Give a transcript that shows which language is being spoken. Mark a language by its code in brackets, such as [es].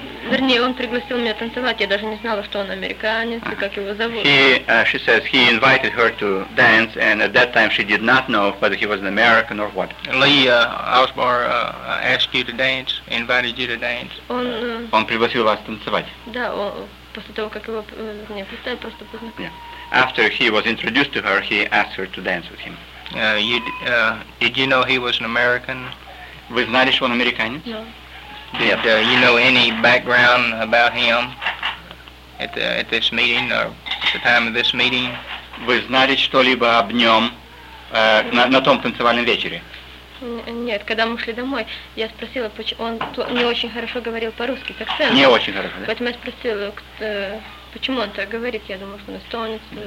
[ru] Вернее, он пригласил меня танцевать. Я даже не знала, что он американец и как его зовут. [en] She says he invited her to dance, and at that time she did not know whether he was an American or what. Lee Osborne asked you to dance, invited you to dance. [ru] Он пригласил вас танцевать. Да, после того, как его мне представили, просто познакомились. [en] Yeah. After he was introduced to her, he asked her to dance with him. Did you know he was an American? [ru] Вы знали, что он американец? [en] No. Did you know any background about him at this meeting or at the time of this meeting? [ru] Вы знали что-либо об нем на том танцевальном вечере? Нет, когда мы шли домой, я спросила, почему он не очень хорошо говорил по-русски, так сказать. Не очень хорошо, да? Поэтому я спросила, почему он так говорит, я думала, что он эстонец.